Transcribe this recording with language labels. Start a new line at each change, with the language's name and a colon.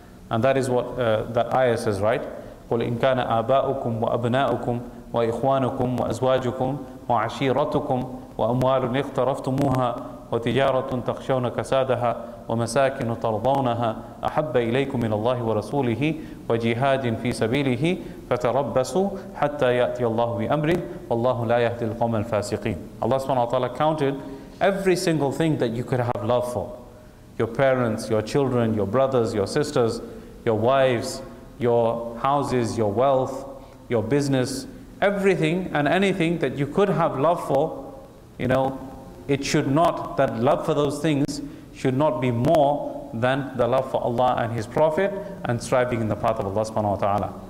English: And that is what that ayah says, right?
Arabic: قُلْ إِنْ كَانَ آبَاؤُكُمْ وَأَبْنَاؤُكُمْ وَإِخْوَانُكُمْ وَأَزْوَاجُكُمْ وَعَشِيرَتُكُمْ وَأَمْوَالٌ اقْتَرَفْتُمُوهَا وتجارة تخشون كسادها ومساكن ترضونها أحب إليكم من الله ورسوله وجهاد في سبيله فتربصوا حتى يأتي الله بأمره والله لا يهدي القوم الفاسقين.
English: Allah subhanahu wa ta'ala counted every single thing that you could have love for. Your parents, your children, your brothers, your sisters, your wives, your houses, your wealth, your business, everything and anything that you could have love for, you know, it should not, that love for those things should not be more than the love for Allah and His Prophet and striving in the path of Allah subhanahu wa ta'ala.